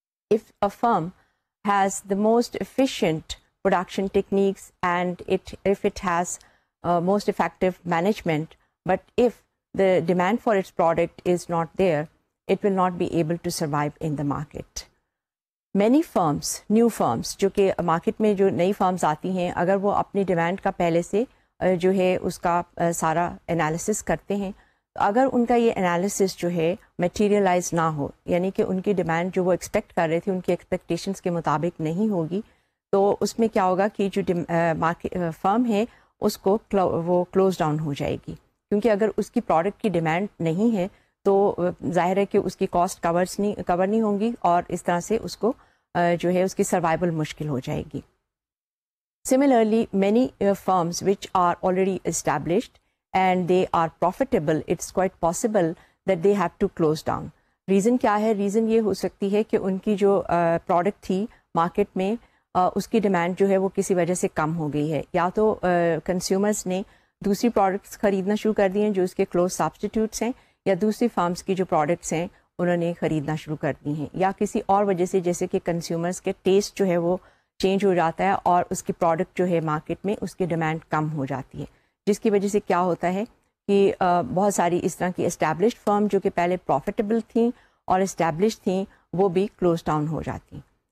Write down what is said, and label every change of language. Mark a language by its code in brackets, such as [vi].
[en] If a firm has the most efficient production techniques, and if it has most effective management, but if the demand for its product is not there, it will not be able to survive in the market. Many firms, new firms, [ur] جو کہ market میں جو نئی firms آتی ہیں, اگر وہ اپنی ڈیمانڈ کا پہلے سے جو ہے اس کا سارا انالیسس کرتے ہیں, اگر ان کا یہ انالیسس جو ہے میٹیریلائز نہ ہو, یعنی کہ ان کی ڈیمانڈ جو وہ ایکسپیکٹ کر رہے تھے ان کی ایکسپیکٹیشنس کے مطابق نہیں ہوگی, تو اس میں کیا ہوگا کہ جو فرم ہے اس کو وہ کلوز ڈاؤن ہو جائے گی, کیونکہ اگر اس کی پروڈکٹ کی ڈیمانڈ نہیں ہے تو ظاہر ہے کہ اس کی کاسٹ کور نہیں ہوں گی, اور اس طرح سے اس کو جو ہے اس کی سروائیول مشکل ہو جائے گی. [en] Similarly many firms which are already established and they are profitable, it's quite possible that they have to close down. [ur] Reason کیا ہے؟ ریزن یہ ہو سکتی ہے کہ ان کی جو پروڈکٹ تھی مارکیٹ میں, اس کی ڈیمانڈ جو ہے وہ کسی وجہ سے کم ہو گئی ہے, یا تو کنزیومرز نے دوسری پروڈکٹس خریدنا شروع کر دی ہیں جو اس کے کلوز سبسٹیٹیوٹس ہیں, یا دوسری فارمز کی جو پروڈکٹس ہیں انہوں نے خریدنا شروع کر دی ہیں, یا کسی اور وجہ سے جیسے کہ کنزیومرز کے ٹیسٹ جو ہے وہ چینج ہو جاتا ہے, اور اس کی پروڈکٹ جو ہے مارکیٹ میں اس کی ڈیمانڈ کم ہو جاتی ہے, جس کی وجہ سے کیا ہوتا ہے کہ بہت ساری اس طرح کی اسٹیبلشڈ فرم جو کہ پہلے پروفیٹیبل تھیں اور اسٹیبلشڈ تھیں, وہ بھی کلوز ڈاؤن ہو جاتی ہیں.